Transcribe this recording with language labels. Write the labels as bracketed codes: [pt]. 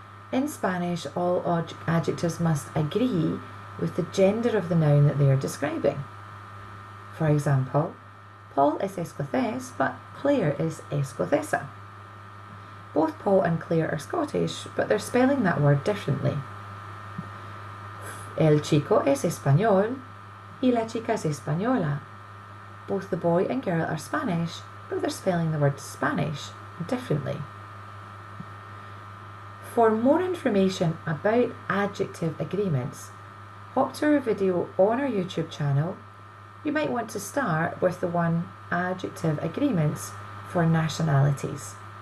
[en] In Spanish, all adjectives must agree with the gender of the noun that they are describing. For example, Paul is escocés, but Claire is escocesa. Both Paul and Claire are Scottish, but they're spelling that word differently. [es] El chico es español y la chica es española. [en] Both the boy and girl are Spanish, but they're spelling the word Spanish differently. For more information about adjective agreements, hop to our video on our YouTube channel. You might want to start with the one adjective agreements for nationalities.